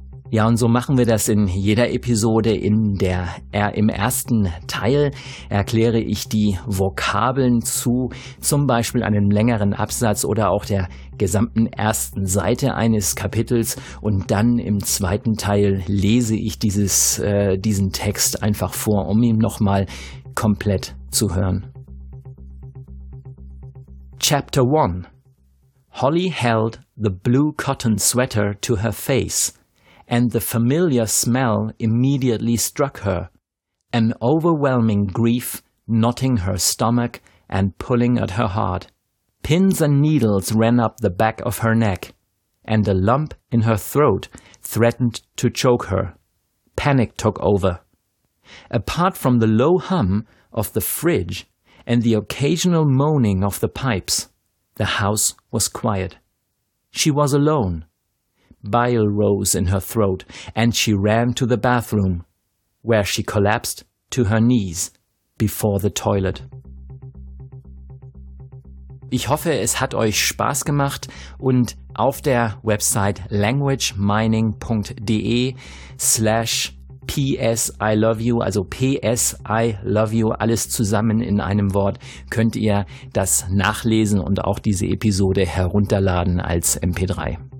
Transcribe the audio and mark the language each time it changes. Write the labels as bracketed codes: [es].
[de] Ja, und so machen wir das in jeder Episode. Im ersten Teil erkläre ich die Vokabeln zu zum Beispiel einem längeren Absatz oder auch der gesamten ersten Seite eines Kapitels, und dann im zweiten Teil lese ich diesen Text einfach vor, um ihn nochmal komplett zu hören. [en] Chapter 1. Holly held the blue cotton sweater to her face, and the familiar smell immediately struck her, an overwhelming grief knotting her stomach and pulling at her heart. Pins and needles ran up the back of her neck, and a lump in her throat threatened to choke her. Panic took over. Apart from the low hum of the fridge and the occasional moaning of the pipes, the house was quiet. She was alone. Bile rose in her throat, and she ran to the bathroom, where she collapsed to her knees before the toilet. [de] Ich hoffe, es hat euch Spaß gemacht, und auf der Website languagemining.de/PS I love you, also PS I love you, alles zusammen in einem Wort, könnt ihr das nachlesen und auch diese Episode herunterladen als MP3.